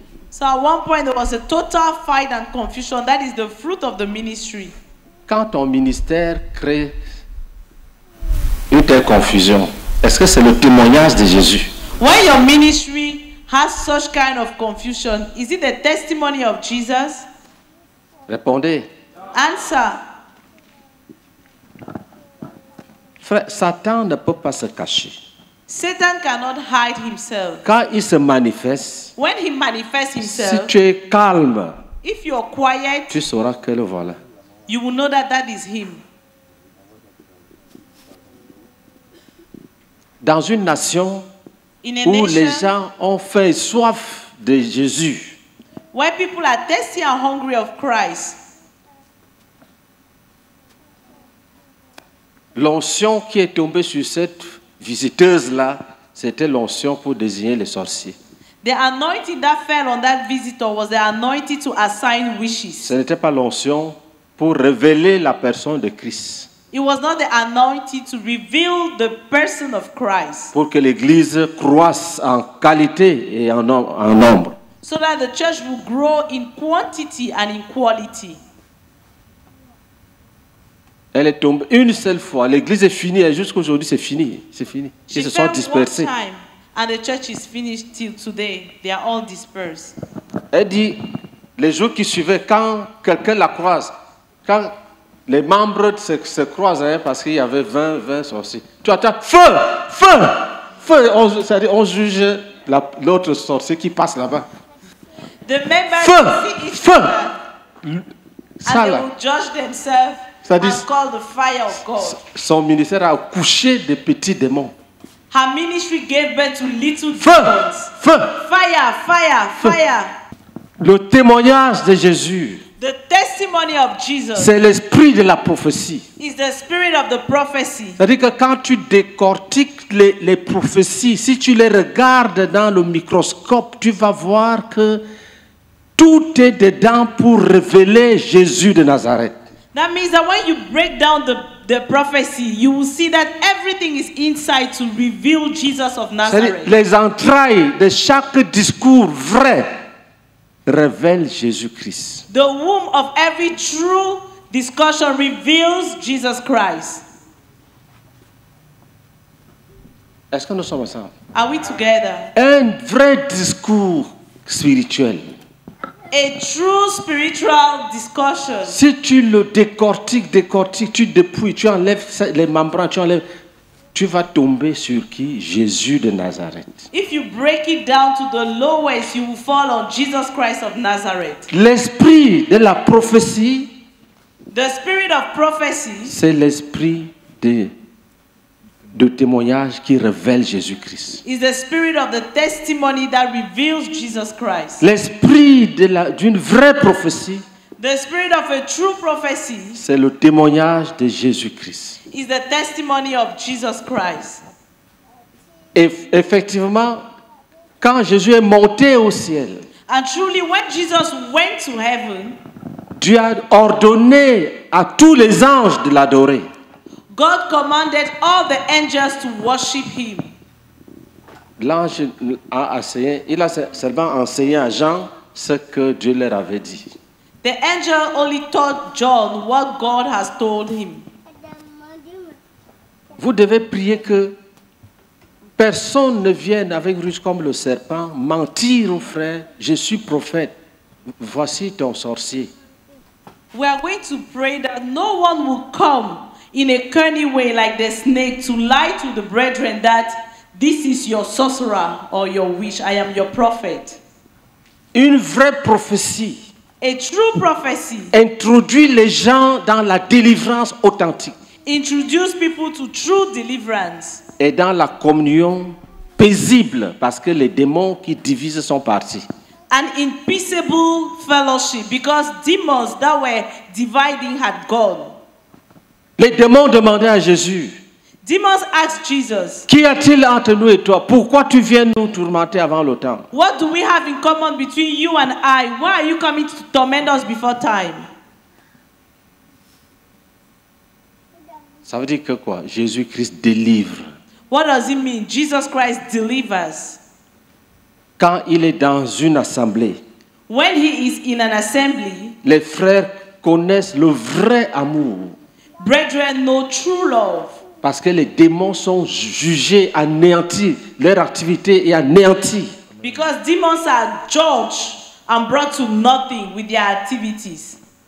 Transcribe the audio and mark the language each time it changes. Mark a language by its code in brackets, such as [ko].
[en] So at one point, there was a total fight and confusion. That is the fruit of the ministry. [fr] Quand ton ministère crée une telle confusion, est-ce que c'est le témoignage de Jésus? [en] When your ministry has such kind of confusion, is it the testimony of Jesus? [fr] Répondez. [en] Answer. [fr] Frère, Satan ne peut pas se cacher. [en] Satan cannot hide himself. [fr] Quand il se manifeste, [en] when he manifests himself, [fr] si tu es calme, [en] if you are quiet, [fr] tu sauras que le voilà. [en] You will know that that is him. [fr] Dans une nation où les gens ont faim et soif de Jésus, [en] where people are thirsty and hungry of Christ, [fr] l'onction qui est tombée sur cette visiteuse-là, c'était l'onction pour désigner les sorciers. [en] The anointing that fell on that visitor was the anointing to assign wishes. [fr] Ce n'était pas l'onction pour révéler la personne de Christ. [en] It was not the anointing to reveal the person of Christ. [fr] Pour que l'Église croisse en qualité et en nombre. [en] So that the church will grow in quantity and in quality. [fr] Elle est tombée une seule fois. L'Église est finie. Et jusqu'à aujourd'hui, c'est fini. C'est fini. [en] She [fr] Ils se sont dispersés. [en] Time, and the church is finished till today. They are all dispersed. [fr] Elle dit, les jours qui suivaient, quand quelqu'un la croise, quand les membres se croisent, hein, parce qu'il y avait 20 sorciers. Tu attends, feu. C'est-à-dire, on juge l'autre sorcier qui passe là-bas. [en] The members [fr] feu. [en] Ça, and they will judge themselves. [fr] C'est-à-dire, [en] called the fire of God. [fr] Son ministère a accouché de petits démons. [en] Her ministry gave birth to little [fr] feu, [en] demons. [fr] Feu, [en] fire. [fr] Le témoignage de Jésus. [en] The testimony of Jesus. [fr] C'est l'esprit de la prophétie. [en] Is the spirit of the prophecy. [fr] C'est-à-dire que quand tu décortiques les prophéties, si tu les regardes dans le microscope, tu vas voir que tout est dedans pour révéler Jésus de Nazareth. [en] That means that when you break down the prophecy, you will see that everything is inside to reveal Jesus of Nazareth. [fr] Les entrailles de chaque discours vrai révèlent Jésus-Christ. [en] The womb of every true discussion reveals Jesus Christ. [fr] Est-ce que nous sommes ensemble? [en] Are we together? [fr] Un vrai discours spirituel. [en] A true spiritual discussion. [fr] Si tu le décortiques, tu dépouilles, tu enlèves les membranes, tu enlèves, tu vas tomber sur qui? Jésus de Nazareth. [en] If you break it down to the lowest, you will fall on Jesus Christ of Nazareth. [fr] L'esprit de la prophétie. [en] The spirit of prophecy. [fr] C'est l'esprit de témoignage qui révèle Jésus-Christ. [en] Is the spirit of the testimony that reveals Jesus Christ. [fr] L'esprit d'une vraie prophétie. [en] The spirit of a true prophecy. [fr] C'est le témoignage de Jésus-Christ. [en] Is the testimony of Jesus Christ. [fr] Et effectivement, quand Jésus est monté au ciel. [en] And truly, when Jesus went to heaven, [fr] Dieu a ordonné à tous les anges de l'adorer. [en] God commanded all the angels to worship him. [fr] L'ange a enseigné, il a seulement enseigné à Jean ce que Dieu leur avait dit. [en] The angel only taught John what God has told him. [fr] Vous devez prier que personne ne vienne avec ruse comme le serpent, mentir aux frères, je suis prophète, voici ton sorcier. [en] We are going to pray that no one will come in a cunning way, like the snake, to lie to the brethren that this is your sorcerer or your witch. I am your prophet. [fr] Une vraie prophétie. [en] A true prophecy. [fr] Introduit les gens dans la délivrance authentique. [en] Introduce people to true deliverance. [fr] Et dans la communion paisible, parce que les démons qui divisent sont partis. [en] And in peaceable fellowship, because demons that were dividing had gone. [fr] Les démons demandaient à Jésus. [en] Demons asked Jesus, [fr] qui a-t-il entre nous et toi? Pourquoi tu viens nous tourmenter avant le temps? [en] What do we have in common between you and I? Why are you coming to torment us before time? [fr] Ça veut dire que quoi? Jésus-Christ délivre. [en] What does it mean? Jesus Christ delivers. [fr] Quand il est dans une assemblée, [en] when he is in an assembly, [fr] les frères connaissent le vrai amour. [en] Brethren know true love. [fr] Parce que les démons sont jugés, anéantis, leur activité est anéantie. [en] Because demons are judged and brought to nothing with their activities.